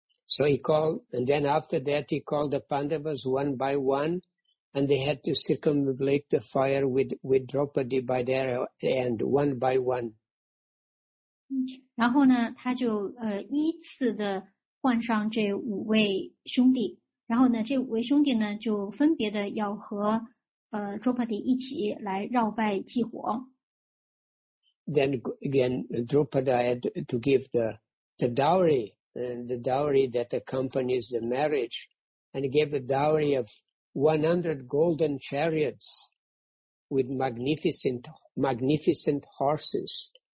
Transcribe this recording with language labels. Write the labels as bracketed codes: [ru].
[en] So he called, and then after that he called the Pandavas one by one, and they had to circumambulate the fire with Draupadi by their end, one by one. [zh] 然后呢他就依次的换上这五位兄弟，然后呢这五位兄弟呢就分别的要和Draupadi 一起来绕拜祭火。 [en] Then again, Draupadi had to give the dowry,and the dowry that accompanies the marriage, and gave a dowry of 100 golden chariots with magnificent horses.